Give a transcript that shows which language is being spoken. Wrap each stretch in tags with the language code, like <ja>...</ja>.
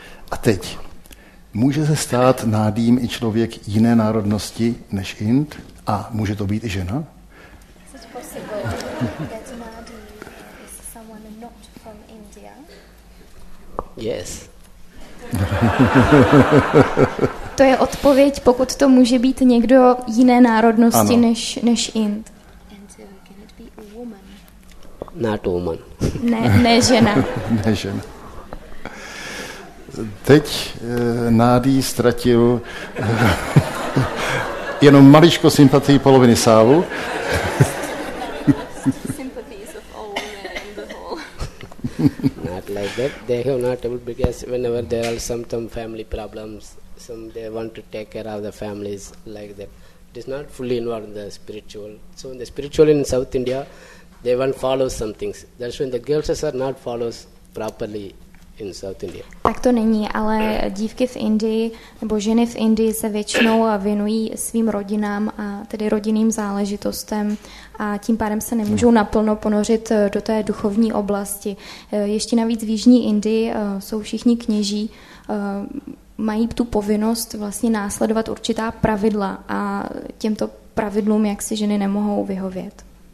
<cs>A teď, může se stát Nádím i člověk jiné národnosti než Ind? A může to být i žena?</cs> <en>Is it possible that Nádím is someone not from India? Yes.</en> <cs>To je odpověď, pokud to může být někdo jiné národnosti než Ind.</cs> <en>And can it be a woman? Not a woman.</en> <cs>Ne žena. Ne žena. Teď Nádý ztratil jenom maličko sympatii poloviny sálu.</cs> <en>Sympathies of all women in the hall. Not like that. They have not able because whenever there are some family problems, some they want to take care of the families like that. It is not fully involved in the spiritual. So in the spiritual in South India, they want follow some things. That's when the girls are not follows properly. In South India.</en> <cs>Tak to není, ale dívky v Indii nebo ženy v Indii se většinou věnují svým rodinám a tedy rodinným záležitostem a tím pádem se nemůžou naplno ponořit do té duchovní oblasti. Ještě navíc v jižní Indii jsou všichni kněží, mají tu povinnost vlastně následovat určitá pravidla a těmto pravidlům jak si ženy nemohou vyhovět.</cs>